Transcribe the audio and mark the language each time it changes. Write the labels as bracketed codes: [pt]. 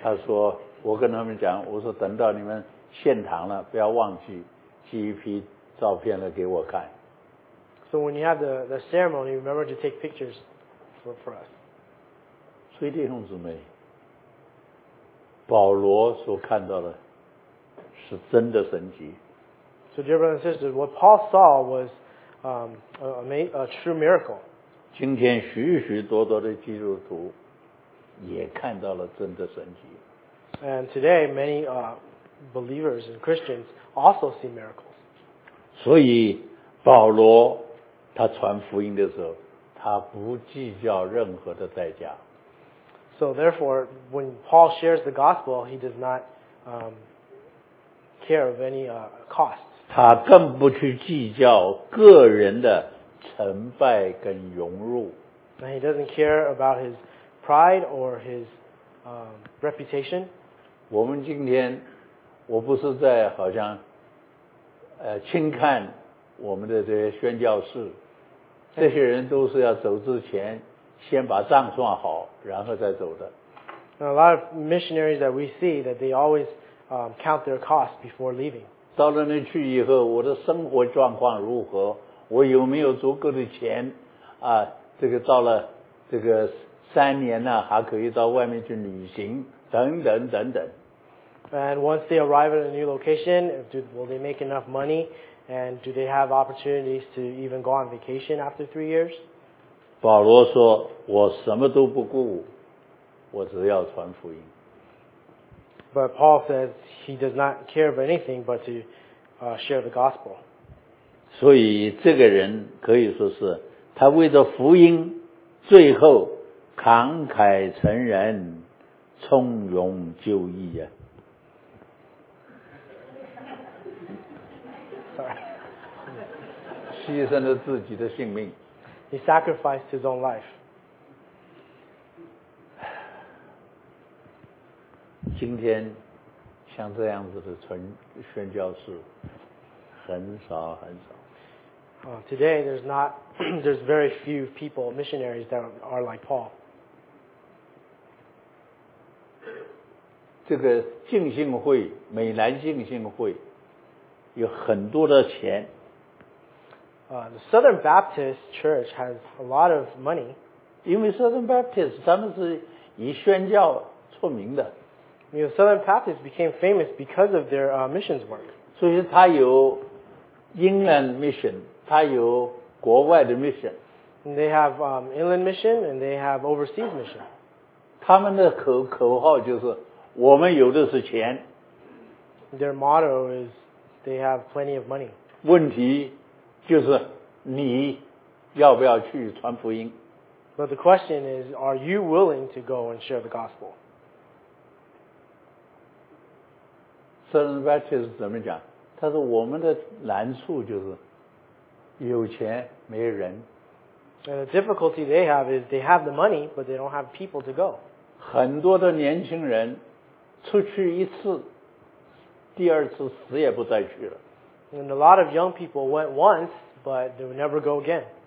[zh] 他说，我跟他们讲，我说等到你们献堂了，不要忘记寄一批照片来给我看。 [en] So when you have the ceremony, remember to take pictures. For us. [zh] 所以弟兄姊妹，保罗所看到的是真的神迹。 [en] So dear brothers and sisters, what Paul saw was a true miracle. [zh] 今天许许多多的基督徒也看到了真的神迹。 [en] And today, many believers and Christians also see miracles. [zh] 所以保罗他传福音的时候，他不计较任何的代价。 [en] So therefore, when Paul shares the gospel, he does not care of any costs. [zh] 他更不去计较个人的成败跟荣辱。 [en] And he doesn't care about his pride or his reputation. [zh] 我们今天，我不是在好像轻看我们的这些宣教士。这些人都是要走之前先把账算好然后再走的。 [en] A lot of missionaries that we see that they always count their costs before leaving. [zh] 到了那去以后我的生活状况如何，我有没有足够的钱啊？这个到了这个三年呢、啊、还可以到外面去旅行等等等等。 [en] And once they arrive at a new location, will they make enough money? And do they have opportunities to even go on vacation after 3 years? [zh] 保罗说，我什么都不顾，我只要传福音。 [en] But Paul says he does not care about anything but to share the gospel. [zh] 所以这个人可以说是他为着福音，最后慷慨成人，从容就义啊。牺牲了自己的性命。 [en] He sacrificed his own life. [zh] 今天像这样子的纯宣教士很少很少。 [en] Today there's very few people missionaries that are like Paul. [zh] 这个浸信会，美兰浸信会有很多的钱。 [en] The Southern Baptist Church has a lot of money. [zh] 因为 Southern Baptist 他们是以宣教出名的。 [en] You know, Southern Baptist became famous because of their missions work. [zh] 所以他有 [en] inland mission, [zh] 他有国外的 mission. [en] And they have inland mission and they have overseas mission. [zh] 他们的口号就是我们有的是钱。 [en] Their motto is they have plenty of money. [zh] 问题就是你要不要去传福音。 [en] But the question is, are you willing to go and share the gospel? [zh] Southern Baptist 怎么讲？他说我们的难处就是有钱没人。 [en] And the difficulty they have is they have the money, but they don't have people to go. [zh] 很多的年轻人出去一次，第二次死也不再去了。 [en] And a lot of young people went once, but they would never go again.